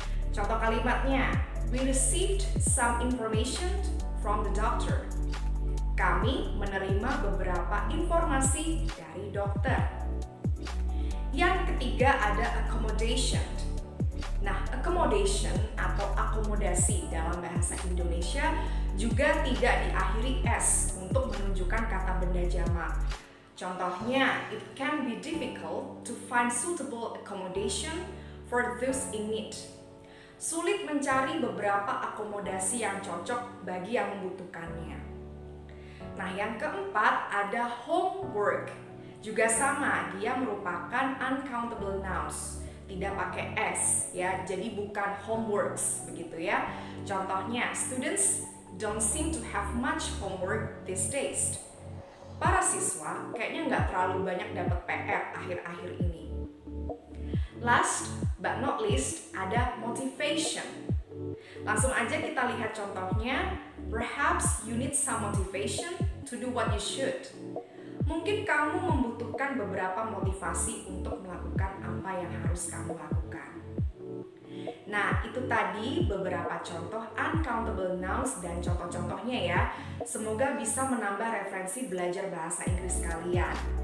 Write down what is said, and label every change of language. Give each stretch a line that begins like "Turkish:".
Indonesian: Contoh kalimatnya,
English: we received some information from the doctor.
Indonesian: Kami menerima beberapa informasi dari dokter. Yang ketiga ada accommodation. Nah, accommodation atau akomodasi dalam bahasa Indonesia juga tidak diakhiri S untuk menunjukkan kata benda jamak. Contohnya,
English: it can be difficult to find suitable accommodation for those in need.
Indonesian: Sulit mencari beberapa akomodasi yang cocok bagi yang membutuhkannya. Nah, yang keempat ada homework. Juga sama, dia merupakan uncountable nouns, tidak pakai S ya. Jadi bukan homeworks begitu ya. Contohnya,
English: students don't seem to have much homework these days.
Indonesian: Para siswa kayaknya nggak terlalu banyak dapat PR akhir-akhir ini.
English: Last but not least,
Indonesian: ada
English: motivation.
Indonesian: Langsung aja kita lihat contohnya.
English: Perhaps you need some motivation to do what you should.
Indonesian: Mungkin kamu membutuhkan beberapa motivasi untuk melakukan apa yang harus kamu lakukan. Nah, itu tadi beberapa contoh uncountable nouns dan contoh-contohnya ya. Semoga bisa menambah referensi belajar bahasa Inggris kalian.